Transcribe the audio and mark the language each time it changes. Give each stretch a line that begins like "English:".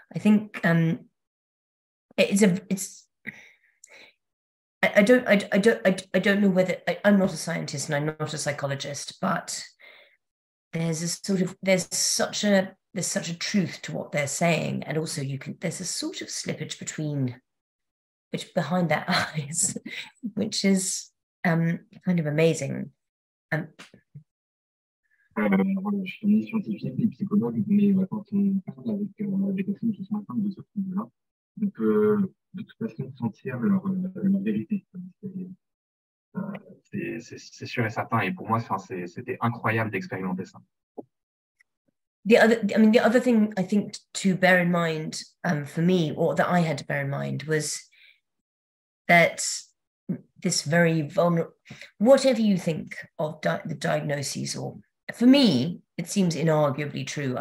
English: I think I'm not a scientist and I'm not a psychologist, but there's such a truth to what they're saying, and also there's a sort of slippage behind their eyes, which is kind of amazing.
French: Voilà, je suis scientifique et psychologue, mais quand on parle avec des personnes qui sont atteintes de ce trouble-là, on peut de toute façon sentir leur vérité. C'est sûr et certain, et pour moi, c'était incroyable d'expérimenter ça.
English: The other thing I think to bear in mind for me, or that I had to bear in mind, was that this very vulnerable, whatever you think of the diagnoses, or for me, it seems inarguably true.